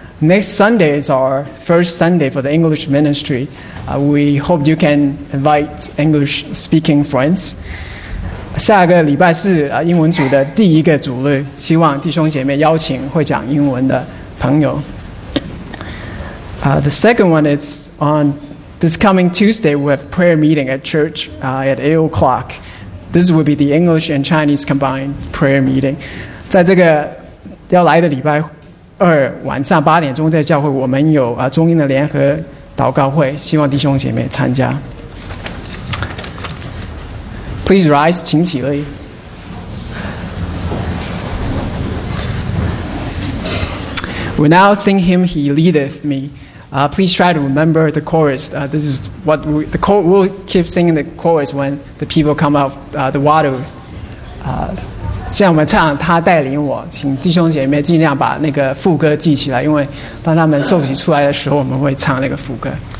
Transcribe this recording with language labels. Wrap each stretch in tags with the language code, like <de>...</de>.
<en>Next Sunday is our first Sunday for the English ministry. We hope you can invite English speaking friends.</en> <zh>下个礼拜是英文组的第一个主日，希望弟兄姐妹邀请会讲英文的朋友。</zh> <en>The second one is on this coming Tuesday. We have prayer meeting at church at 8 o'clock. This will be the English and Chinese combined prayer meeting.</en> <zh>在这个要来的礼拜二晚上8点钟在教会，我们有中英的联合祷告会，希望弟兄姐妹参加。</zh> <en>Please rise,</en> <zh>请起立。</zh> <en>We now sing hymn, He Leadeth Me. Please try to remember the chorus. This is what we'll keep singing the chorus when the people come out the water.</en> <zh>现在我们唱他带领我，请弟兄姐妹尽量把那个副歌记起来，因为当他们受洗出来的时候，我们会唱那个副歌。</zh>